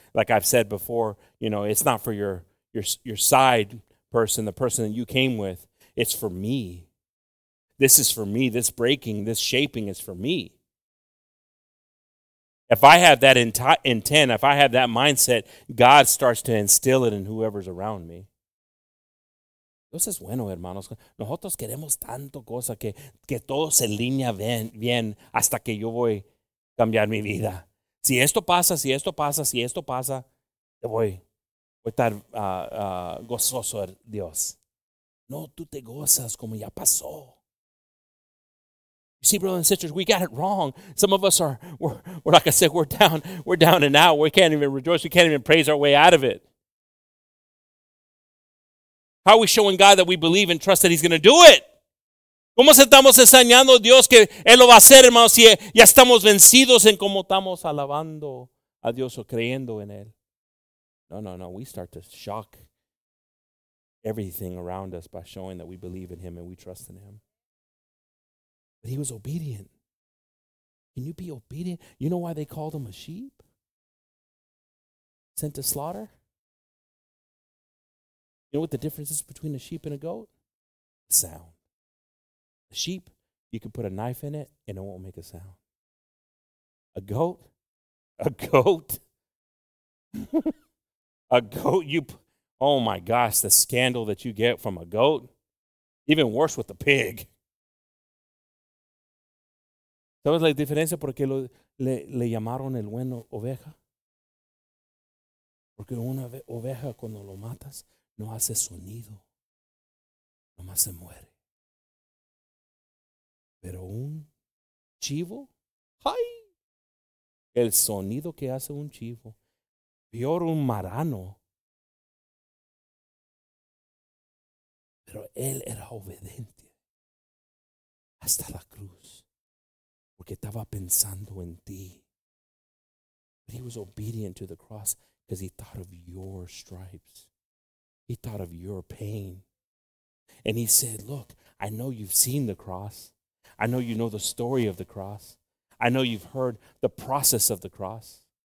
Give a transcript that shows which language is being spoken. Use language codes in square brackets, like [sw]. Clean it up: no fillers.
[en] Like I've said before, you know, it's not for your side person, the person that you came with. It's for me. This is for me. This breaking, this shaping is for me. If I have that intent, if I have that mindset, God starts to instill it in whoever's around me. [es] Dios es bueno, hermanos. Nosotros queremos tanto cosa que todo se alinea bien hasta que yo voy a cambiar mi vida. Si esto pasa, si esto pasa, si esto pasa, te voy a estar gozoso, Dios. No, tú te gozas como ya pasó. [en] You see, brothers and sisters, we got it wrong. Some of us are, we're like I said, we're down and out. We can't even rejoice. We can't even praise our way out of it. How are we showing God that we believe and trust that he's going to do it? [es] ¿Cómo estamos enseñando a Dios que Él lo va a hacer, hermanos, si ya estamos vencidos en cómo estamos alabando a Dios o creyendo en Él? No. [en] We start to shock everything around us by showing that we believe in him and we trust in him. But he was obedient. Can you be obedient? You know why they called him a sheep? Sent to slaughter? You know what the difference is between a sheep and a goat? Sound. A sheep, you can put a knife in it and it won't make a sound. A goat. A goat, oh my gosh, the scandal that you get from a goat. Even worse with a pig. [es] ¿Sabes la diferencia por qué le llamaron el bueno oveja? Porque una oveja cuando lo matas no hace sonido, nomás se muere. Pero un chivo, ¡ay! El sonido que hace un chivo, peor un marrano. Pero él era obediente hasta la cruz, porque estaba pensando en ti. [en] But he was obedient to the cross because he thought of your stripes. He thought of your pain. And he said, look, I know you've seen the cross. I know you know the story of the cross. I know you've heard the process of the cross.